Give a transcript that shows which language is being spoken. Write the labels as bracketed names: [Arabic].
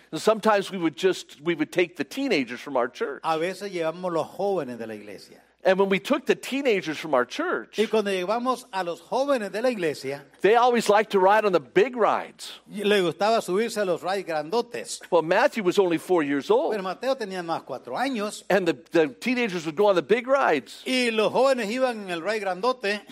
[English] And sometimes we would take the teenagers from our church. [Spanish] A veces llevamos los jóvenes de la iglesia. [English] And when we took the teenagers from our church, [Spanish] y cuando llevamos a los jóvenes de la iglesia, [English] they always liked to ride on the big rides. [Spanish] Le gustaba subirse a los rides grandotes. [English] Well, Matthew was only 4 years old. [Spanish] Pero Mateo tenía más 4 años. [English] And the teenagers would go on the big rides. [Spanish] Y los jóvenes iban en el ride grandote.